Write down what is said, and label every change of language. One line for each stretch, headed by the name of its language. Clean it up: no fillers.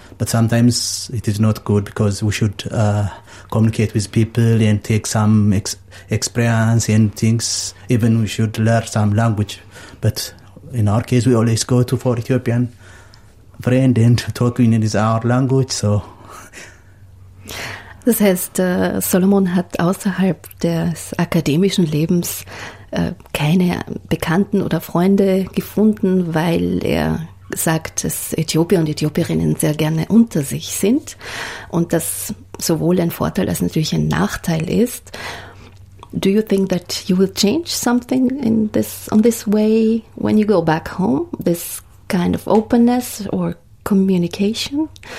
English: But sometimes it is not good because we should communicate with people and take some experience and things. Even we should learn some language. But in our case, we always go to for Ethiopian friend and talking in our language. So.
German: Das heißt, Solomon hat außerhalb des akademischen Lebens keine Bekannten oder Freunde gefunden, weil er sagt, dass Äthiopier und Äthiopierinnen sehr gerne unter sich sind und das sowohl ein Vorteil als natürlich ein Nachteil ist.
English: Do you think that you will change something in this way when you go back home, this kind of openness or communication?